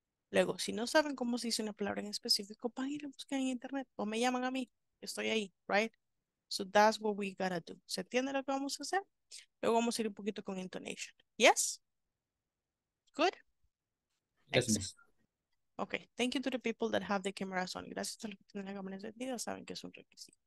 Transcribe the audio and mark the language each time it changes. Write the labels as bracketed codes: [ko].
[es] Luego, si no saben cómo se dice una palabra en específico, van a ir a buscar en internet o me llaman a mí. Estoy ahí, right? [en] So that's what we gotta do. [es] ¿Se entiende lo que vamos a hacer? Luego vamos a ir un poquito con intonation. [en] Yes? Good? Yes, miss. Okay, thank you to the people that have the cameras on. [es] Gracias a los que tienen la cámara encendida, saben que es un requisito.